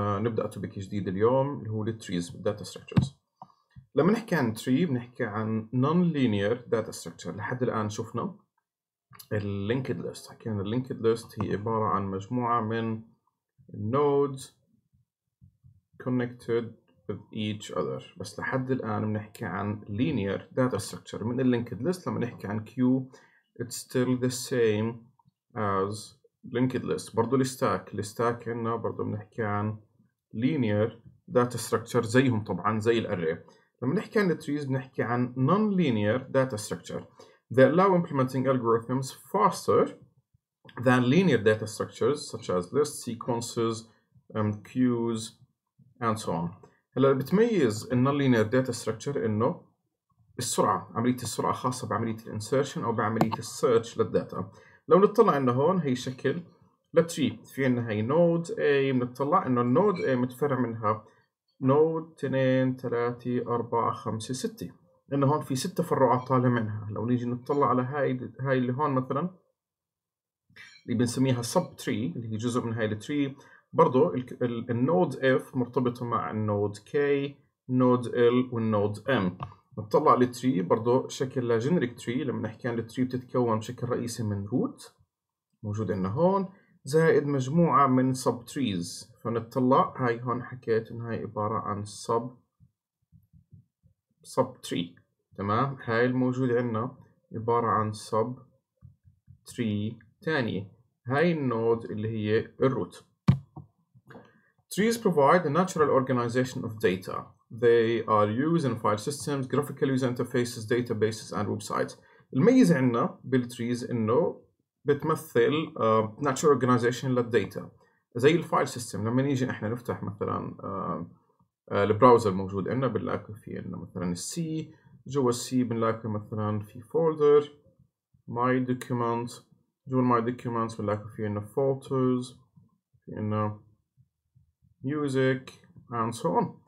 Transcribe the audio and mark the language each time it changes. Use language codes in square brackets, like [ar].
[ar] نبدأ توبيك جديد اليوم اللي هو الـ Trees Data Structures. لما نحكي عن Tree بنحكي عن Non-Linear Data Structure. لحد الآن شفنا الـ Linked List. حكينا الـ Linked List هي عبارة عن مجموعة من Nodes [en] connected with each other. [ar] بس لحد الآن بنحكي عن Linear Data Structure. من الـ [en] Linked List [ar] لما نحكي عن [en] Queue it's still the same as linked list. [ar] برضو الستاك عندنا برضو بنحكي عن linear data structure زيهم طبعا زي الاري. لما نحكي عن التريز بنحكي عن [en] non-linear data structure that allow implementing algorithms faster than linear data structures such as list sequences and queues and so on. [ar] هلا بتميز non-linear data structure انه السرعة، عملية السرعة خاصة بعملية الانسيرشن او بعملية السيرش للداتا. لو نطلع انه هون هي شكل لتري، في عندنا هي نود A، بنطلع انه النود A متفرع منها نود 2 3 4 5 6، انه هون في 6 تفرعات طالع منها. لو نيجي نطلع على هاي اللي هون مثلا اللي بنسميها سب تري اللي هي جزء من هاي التري، برضه النود F مرتبطة مع النود K، نود L والنود M. نطلع للتري برضو شكل لجينريك تري. لما نحكي عن التري بتتكون بشكل رئيسي من روت موجود عندنا هون زائد مجموعة من سب تريز. فنطلع هاي هون حكيت ان هاي عبارة عن سب تري، تمام. هاي الموجود عندنا عبارة عن سب تري تانية، هاي النود اللي هي الروت. [en] Trees provide a natural organization of data. They are used in file systems, graphical user interfaces, databases, and websites. [ar] الميزة عندنا بالtrees إنه بتمثل natural organization للداتا. زي الفايل سيستم لما نيجي إحنا نفتح مثلاً البراوزر موجود عندنا بنلاقي في عندنا مثلاً C، جوا C بنلاقي مثلاً في folder my documents، جوا my documents بنلاقي في عندنا photos، في عندنا music [en] and so on.